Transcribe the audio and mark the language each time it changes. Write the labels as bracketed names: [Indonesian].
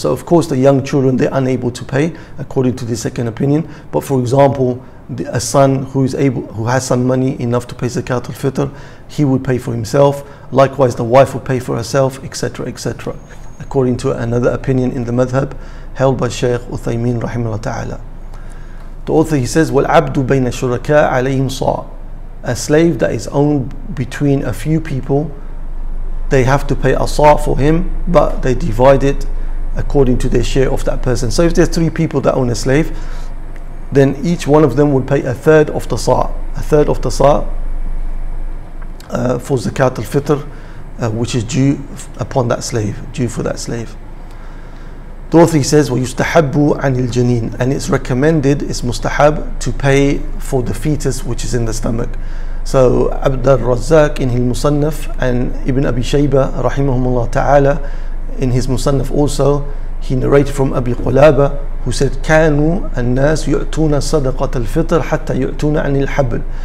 [English] So of course the young children, they're unable to pay according to the second opinion. But for example, a son who is able, who has some money enough to pay zakat al-fitr, he would pay for himself. Likewise, the wife would pay for herself, etc., etc. According to another opinion in the madhab held by Shaykh Uthaymeen rahimahullah ta'ala. The author, he says, [Arabic] وَالْعَبْدُ بَيْنَ شُرَكَاءَ عَلَيْهِمْ صَاعَ. [English] A slave that is owned between a few people, they have to pay a sa' for him, but they divide it according to their share of that person. So if there's three people that own a slave, then each one of them will pay a third of the sa', a third of the sa', for zakat al-fitr, which is due upon that slave, due for that slave. Dorothy says, [Arabic] وَيُسْتَحَبُّ عَنِ الْجَنِينَ. [English] And it's recommended, it's mustahab, to pay for the fetus which is in the stomach. So Abd al-Razzaq in his Musannaf and Ibn Abi Shayba rahimahumullah ta'ala in his Musannaf also, he narrated from Abi Qulaba, who said, [Arabic] كَانُوا النَّاسُ يُعْتُونَ صَدَقَةَ الْفِطْرِ حَتَّى يُعْتُونَ عَنِ الْحَبْلِ.